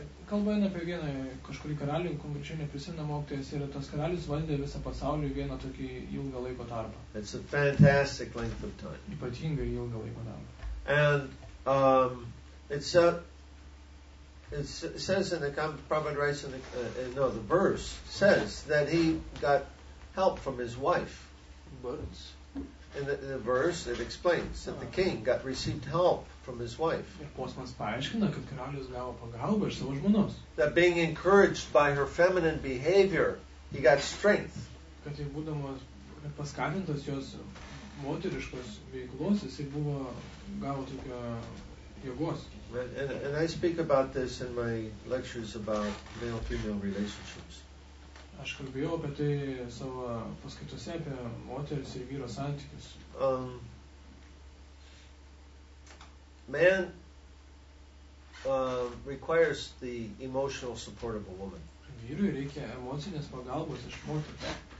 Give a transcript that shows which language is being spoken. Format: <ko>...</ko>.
<lt>Kalbant apie vieną kažkurį karalių, konkrečiai neprisimenu, mokytojas yra tas karalius valdė visą pasaulį vieną tokį ilgą laiko tarpą.</lt> <en>It's a fantastic length of time. Ypatingai ilgą laiko tarpą. And it says in the Prabhupada writes in the verse says that he got help from his wife. Words. In the verse it explains that the king got received help from his wife.</en> <lt>Postmas paaiškina, kad karalius gavo pagalbą iš savo žmonos.</lt> <en>That being encouraged by her feminine behavior, he got strength.</en> <lt>Kad jis būdamas paskatintas jos moteriškos veiklos, jis buvo gavo tokio jėgos.</lt> <en>And I speak about this in my lectures about male-female relationships.</en> <lt>Aš kalbėjau apie tai savo paskaitose apie moteris ir vyro santykius.</lt> <en>Man requires the emotional support of a woman.</en> <lt>Vyrui reikia emocinės pagalbos iš moterų.</lt>